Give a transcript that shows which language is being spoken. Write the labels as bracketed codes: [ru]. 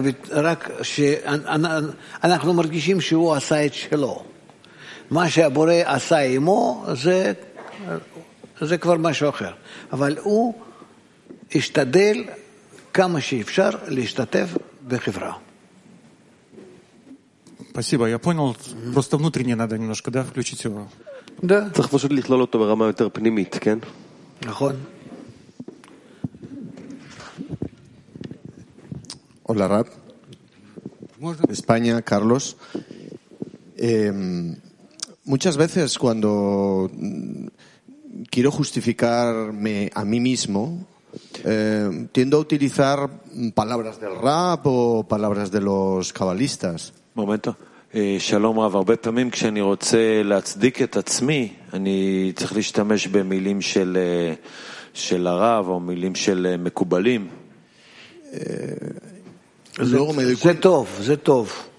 [he] רק שאנחנו מרגישים שהוא עשה את שלו. מה שהבורא עשה עמו, זה כבר משהו אחר. אבל הוא השתדל כמה שאפשר להשתתף בחברה. [ru] Спасибо, я понял. Просто внутренне надо немножко, да, включить его. Да. [he] צריך פשוט לכלול אותו ברמה יותר פנימית, כן? נכון. [es] Hola, Rab. España, Carlos. Muchas veces cuando quiero justificarme a mí mismo, tiendo a utilizar palabras del Rab o palabras de los cabalistas. Momento. [he] Shalom Rab, הרבה פעמים כשאני רוצה להצדיק את עצמי, אני צריך להשתמש במילים של הרב או מילים של מקובלים. זה טוב, זה טוב.